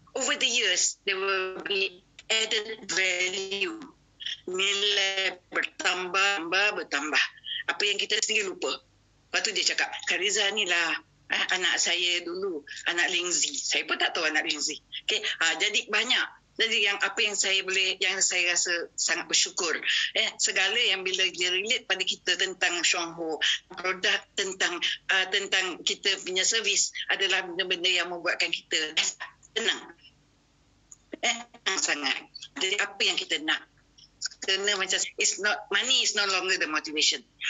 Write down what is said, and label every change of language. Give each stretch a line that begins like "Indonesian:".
English: Over the years, there will be added value.
Malay: Nilai bertambah. Apa yang kita sendiri lupa. Lepas tu dia cakap, Kariza ni lah anak saya dulu, anak Lingzi. Saya pun tak tahu anak Lingzi. Okay? Jadi banyak. Jadi yang apa yang saya boleh, yang saya rasa sangat bersyukur. Segala yang bila dia relate pada kita tentang Shong Ho, produk tentang tentang kita punya servis adalah benda-benda yang membuatkan kita tenang. Tenang sangat. Jadi apa yang kita nak. kena macam
English: it's not money is no longer the motivation.